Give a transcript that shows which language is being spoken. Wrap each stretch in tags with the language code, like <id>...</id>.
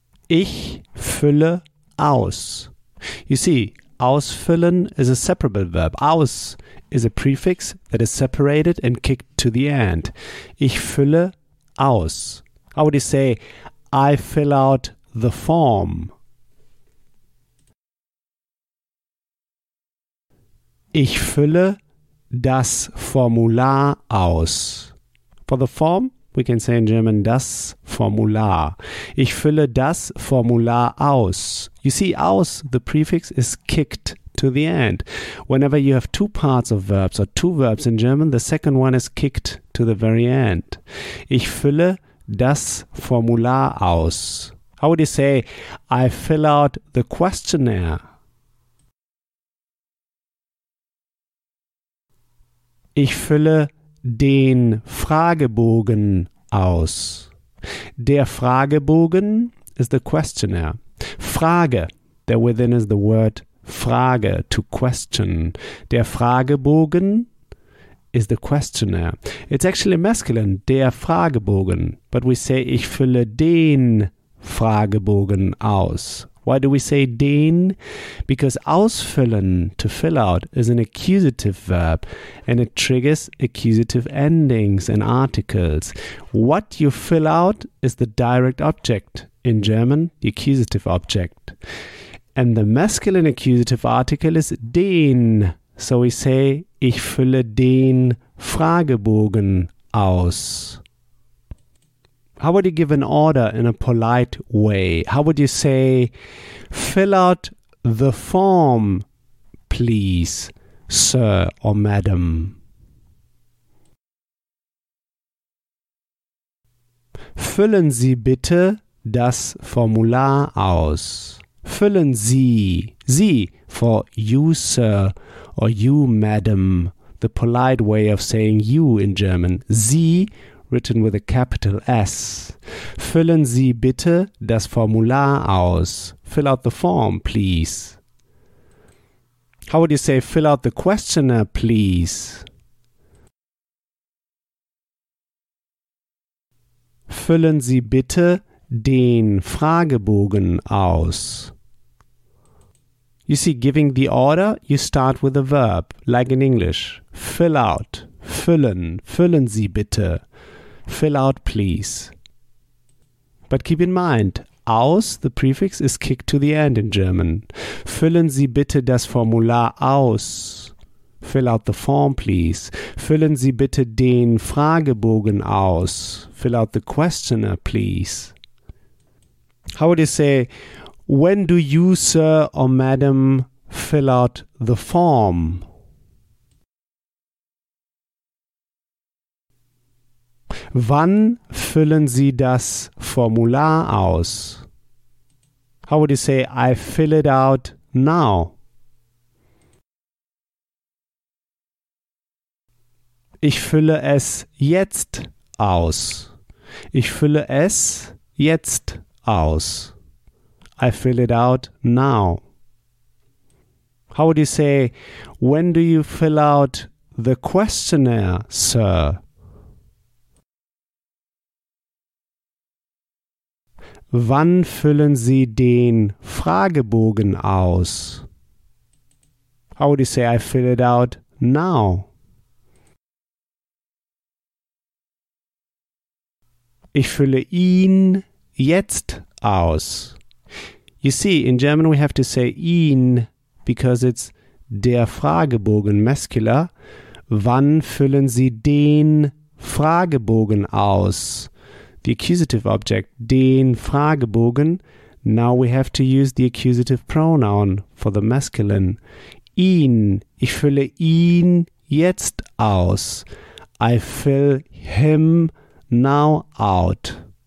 <de>Ich fülle aus.</de> <en>You see, ausfüllen is a separable verb. Aus is a prefix that is separated and kicked to the end.</en> <de>Ich fülle aus.</de> <en>How would you say I fill out the form?</en> <de>Ich fülle das Formular aus.</de> <en>For the form, we can say in German das Formular.</en> <de>Ich fülle das Formular aus.</de> <en>You see, aus, the prefix, is kicked to the end. Whenever you have two parts of verbs or two verbs in German, the second one is kicked to the very end.</en> <de>Ich fülle das Formular aus.</de> <en>How would you say, I fill out the questionnaire?</en> <de>Ich fülle den Fragebogen aus.</de> <en>Der Fragebogen is the questionnaire. Frage, there within is the word Frage, to question. Der Fragebogen is the questionnaire. It's actually masculine, der Fragebogen. But we say,</en> <de>ich fülle den Fragebogen aus.</de> <en>Why do we say den? Because ausfüllen, to fill out, is an accusative verb and it triggers accusative endings and articles. What you fill out is the direct object. In German, the accusative object. And the masculine accusative article is den. So we say,</en> <de>ich fülle den Fragebogen aus.</de> <en>How would you give an order in a polite way? How would you say, fill out the form, please, sir or madam?</en> <de>Füllen Sie bitte das Formular aus. Füllen Sie,</de> <en>Sie, for you, sir, or you, madam, the polite way of saying you in German, Sie, written with a capital S.</en> <de>Füllen Sie bitte das Formular aus.</de> <en>Fill out the form, please. How would you say fill out the questionnaire, please?</en> <de>Füllen Sie bitte den Fragebogen aus.</de> <en>You see, giving the order, you start with a verb, like in English. Fill out,</en> <de>füllen, füllen Sie bitte.</de> <en>Fill out, please. But keep in mind, aus, the prefix, is kicked to the end in German.</en> <de>Füllen Sie bitte das Formular aus.</de> <en>Fill out the form, please.</en> <de>Füllen Sie bitte den Fragebogen aus.</de> <en>Fill out the questionnaire, please. How would you say, when do you, sir or madam, fill out the form?</en> <de>Wann füllen Sie das Formular aus?</de> <en>How would you say, I fill it out now?</en> <de>Ich fülle es jetzt aus. Ich fülle es jetzt aus.</de> <en>I fill it out now. How would you say, when do you fill out the questionnaire, sir?</en> <de>Wann füllen Sie den Fragebogen aus?</de> <en>How would you say I fill it out now?</en> <de>Ich fülle ihn jetzt aus.</de> <en>You see, in German we have to say ihn because it's der Fragebogen, masculine.</en> <de>Wann füllen Sie den Fragebogen aus?</de> <en>The accusative object, den Fragebogen. Now we have to use the accusative pronoun for the masculine. Ihn.</en> <de>Ich fülle ihn jetzt aus.</de> <en>I fill him now out.</en>